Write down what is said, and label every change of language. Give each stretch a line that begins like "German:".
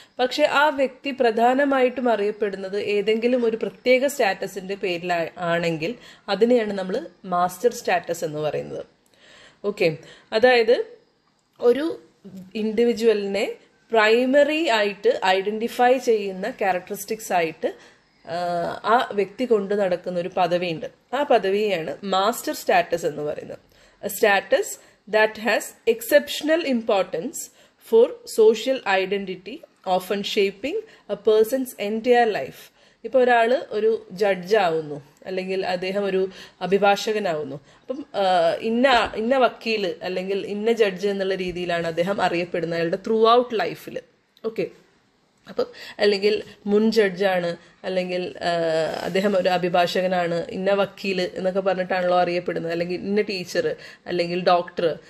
Malayalam: പക്ഷേ ആ വ്യക്തി പ്രധാനമായിട്ടും അറിയപ്പെടുന്നത് ഏതെങ്കിലും ഒരു പ്രത്യേക സ്റ്റാറ്റസിൻ്റെ പേരിൽ ആണെങ്കിൽ അതിനെയാണ് നമ്മൾ മാസ്റ്റർ സ്റ്റാറ്റസ് എന്ന് പറയുന്നത്. ഓക്കെ, അതായത് ഒരു ഇൻഡിവിജ്വലിനെ പ്രൈമറി ആയിട്ട് ഐഡൻറ്റിഫൈ ചെയ്യുന്ന ക്യാരക്ടറിസ്റ്റിക്സ് ആയിട്ട് ആ വ്യക്തി കൊണ്ടു നടക്കുന്ന ഒരു പദവിയുണ്ട്. ആ പദവിയാണ് മാസ്റ്റർ സ്റ്റാറ്റസ് എന്ന് പറയുന്നത്.
English: A status that has exceptional importance for social identity, often shaping a person's entire life.
Malayalam: ഇപ്പോൾ ഒരാൾ ഒരു ജഡ്ജാവുന്നു അല്ലെങ്കിൽ അദ്ദേഹം ഒരു അഭിഭാഷകനാവുന്നു, അപ്പം ഇന്ന വക്കീൽ അല്ലെങ്കിൽ ഇന്ന ജഡ്ജ് എന്നുള്ള രീതിയിലാണ് അദ്ദേഹം അറിയപ്പെടുന്നത് അയാളുടെ ത്രൂ ഔട്ട് ലൈഫിൽ. ഓക്കെ, അപ്പം അല്ലെങ്കിൽ മുൻ ജഡ്ജാണ് അല്ലെങ്കിൽ അദ്ദേഹം ഒരു അഭിഭാഷകനാണ് ഇന്ന വക്കീൽ എന്നൊക്കെ പറഞ്ഞിട്ടാണല്ലോ അറിയപ്പെടുന്നത്, അല്ലെങ്കിൽ ഇന്ന ടീച്ചർ അല്ലെങ്കിൽ ഡോക്ടർ.